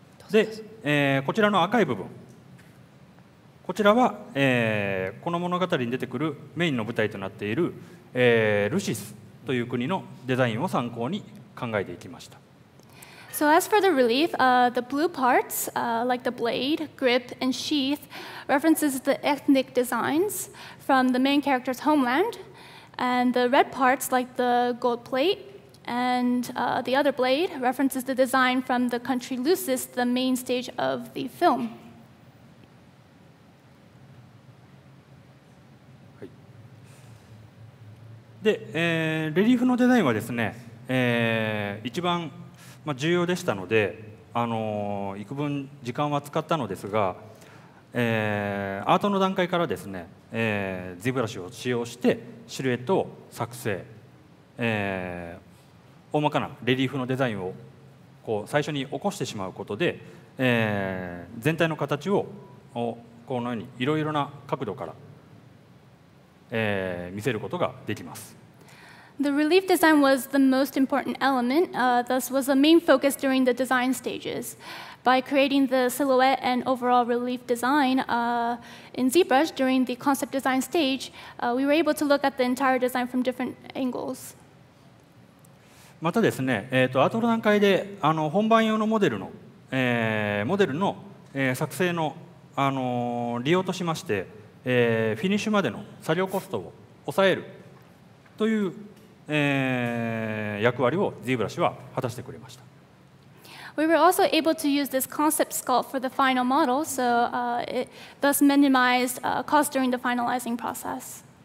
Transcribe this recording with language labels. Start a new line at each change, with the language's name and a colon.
Japanese: で、こちらの赤い部分。こちらは、この物語に出てくるメインの舞台となっている、ルシスという国のデザインを参考に考えていきました。
English: So as for the relief, the blue parts, like the blade, grip, and sheath, references the ethnic designs from the main character's homeland, and the red parts, like the gold plate, and the other blade, references the design from the country Lucis, the main stage of the film.
Japanese: で、レリーフのデザインはですね、一番、まあ、重要でしたので、幾分時間は使ったのですが、アートの段階からですね、ZBrushを使用してシルエットを作成、大まかなレリーフのデザインをこう最初に起こしてしまうことで、全体の形をこのようにいろいろな角度から、見せることができます。
English: The relief design was the most important element, thus was the main focus during the design stages. By creating the silhouette and overall relief design in ZBrush during the concept design stage, we were able to look at the entire design from different angles.
Japanese: またですね、アートの段階で本番用のモデルの、モデルの、作成の、利用としまして、フィニッシュまでの作業コストを抑えるという役割をZBrushは果たしてくれました。
English: We were also able to use this concept sculpt for the final model, so it thus minimized cost during the finalizing process.